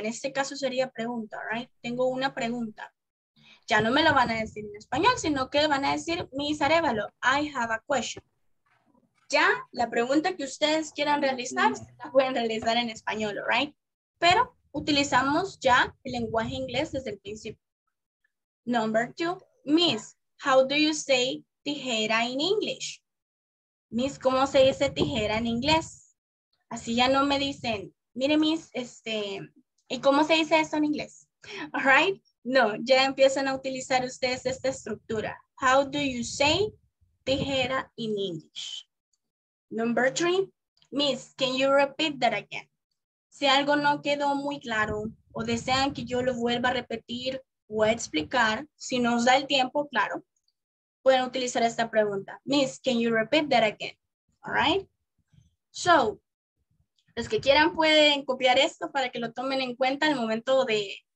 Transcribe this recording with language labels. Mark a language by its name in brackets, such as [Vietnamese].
[Spanish] En este caso sería pregunta, right? Tengo una pregunta. Ya no me lo van a decir en español, sino que van a decir, Miss Arevalo, [English] I have a question. [Spanish] Ya, la pregunta que ustedes quieran realizar, la pueden realizar en español, right? Pero utilizamos ya el lenguaje inglés desde el principio. [English] Number two, Miss, how do you say tijera in English? [Spanish] Miss, ¿cómo se dice tijera en inglés? Así ya no me dicen, mire, Miss, ¿y cómo se dice eso en inglés? All right? No, ya empiezan a utilizar ustedes esta estructura. [English] How do you say tijera in English? Number three, Miss, can you repeat that again? [Spanish] Si algo no quedó muy claro o desean que yo lo vuelva a repetir o a explicar, si nos da el tiempo, claro, pueden utilizar esta pregunta. [English] Miss, can you repeat that again? All right? So, [Spanish] los que quieran pueden copiar esto para que lo tomen en cuenta al momento de...